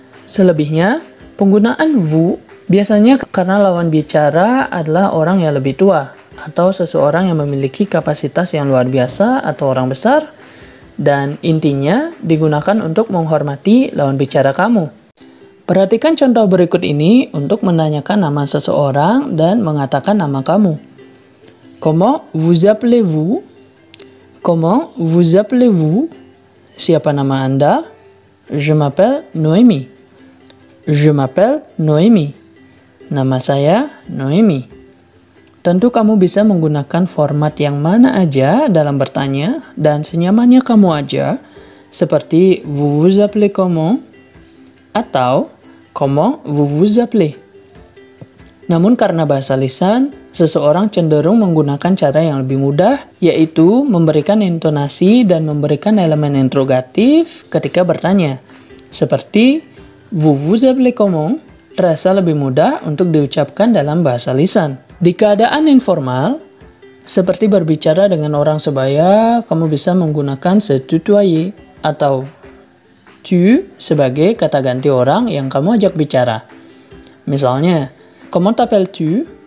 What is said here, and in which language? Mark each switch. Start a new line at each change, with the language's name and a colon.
Indonesian: Selebihnya, penggunaan vous biasanya karena lawan bicara adalah orang yang lebih tua, atau seseorang yang memiliki kapasitas yang luar biasa atau orang besar, dan intinya digunakan untuk menghormati lawan bicara kamu. Perhatikan contoh berikut ini untuk menanyakan nama seseorang dan mengatakan nama kamu.
French: Comment vous appelez-vous? Comment vous appelez-vous?
Indonesian: Siapa nama Anda?
French: Je m'appelle Noémie. Je m'appelle Noémie.
Indonesian: Nama saya Noémie. Tentu kamu bisa menggunakan format yang mana aja dalam bertanya dan senyamannya kamu aja, seperti
French: vous vous appelez comment
Indonesian: atau
French: comment vous vous appelez.
Indonesian: Namun karena bahasa lisan, seseorang cenderung menggunakan cara yang lebih mudah, yaitu memberikan intonasi dan memberikan elemen interrogatif ketika bertanya, seperti
French: vous vous appelez comment
Indonesian: terasa lebih mudah untuk diucapkan dalam bahasa lisan. Di keadaan informal, seperti berbicara dengan orang sebaya, kamu bisa menggunakan se tutoyer atau tu sebagai kata ganti orang yang kamu ajak bicara. Misalnya,
French: comment t'appelles-tu?